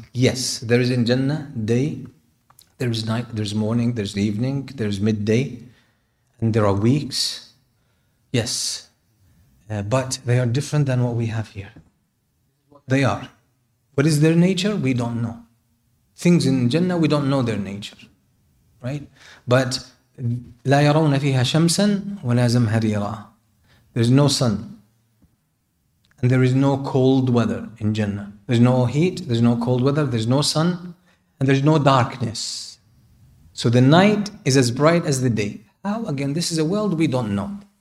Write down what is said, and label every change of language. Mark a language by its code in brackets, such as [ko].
[en] Yes, there is in Jannah day, there is night, there is morning, there is evening, there is midday, and there are weeks. Yes, but they are different than what we have here. They are. What is their nature? We don't know. Things in Jannah, we don't know their nature. Right? [ar] But لا يرون فيها شمسا ولا زمهريرا. [en] There is no sun and there is no cold weather in Jannah. There is no heat, there is no cold weather, there is no sun, and there is no darkness. So the night is as bright as the day. How? Again, this is a world we don't know.